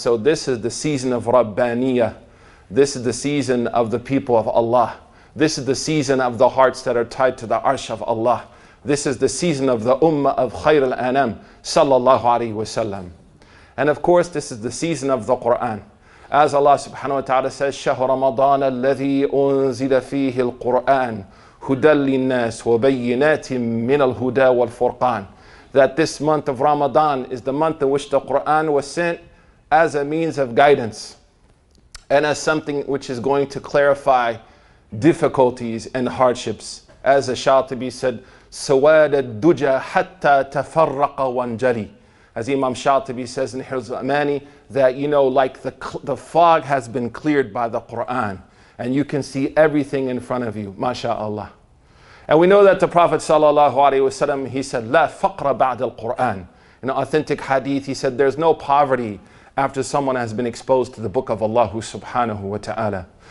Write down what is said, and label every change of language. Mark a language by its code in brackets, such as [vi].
[en] So this is the season of Rabbaniyah. This is the season of the people of Allah. This is the season of the hearts that are tied to the arsh of Allah. This is the season of the Ummah of Khair al-Anam, sallallahu alayhi wa sallam. And of course, this is the season of the Qur'an. As Allah subhanahu wa ta'ala says, [ar] شَهْرَ رَمَضَانَ الَّذِي أُنزِلَ فِيهِ الْقُرْآنِ هُدًى لِلنَّاسِ وَبَيِّنَاتٍ مِّنَ الْهُدَى وَالْفُرْقَانِ. [en] That this month of Ramadan is the month in which the Qur'an was sent as a means of guidance and as something which is going to clarify difficulties and hardships. As the Shatibi said, [ar] سواد الدجى حتى تفرق وانجلي. [en] As Imam Shatibi says in Hirz al-Amani, that you know, like the fog has been cleared by the Qur'an and you can see everything in front of you, mashaAllah. And we know that the Prophet sallallahu alayhi wa sallam, he said, [ar] لا فقر بعد القرآن. [en] In an authentic hadith, he said, there's no poverty after someone has been exposed to the book of Allah subhanahu wa ta'ala.